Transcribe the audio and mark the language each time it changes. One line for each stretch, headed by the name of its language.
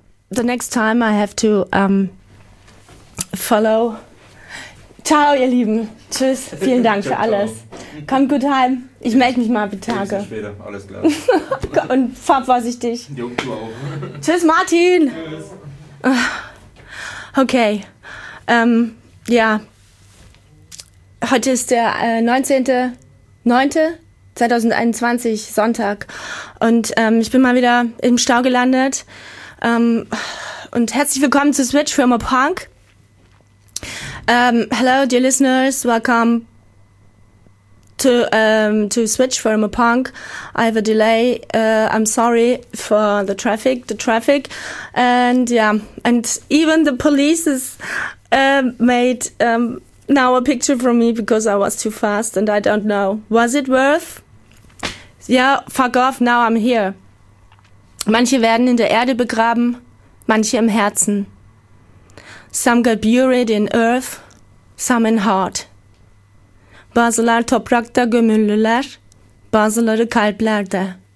English: The next time I have to follow.
German: Ciao, ihr Lieben. Tschüss. Vielen Dank für alles. Kommt gut heim. Ich melde mich mal bitte. Tage. Bis später. Alles klar. Und fahr vorsichtig. Jo, du auch. Tschüss, Martin. Tschüss. Okay. Ja. Heute ist der 19.09. 2021, Sonntag. Und ich bin mal wieder im Stau gelandet. Und herzlich willkommen zu Switch für immer Punk.
English: Hello, dear listeners. Welcome to Switch for immer Punk. I have a delay. I'm sorry for the traffic. And yeah, and even the police is made now a picture from me because I was too fast and I don't know. Was it worth? Ja, fuck off, now I'm here.
German: Manche werden in der Erde begraben, manche im Herzen.
English: Some got buried in earth, some in heart.
Turkish: Bazılar toprakta gömülüler, bazıları kalplerde.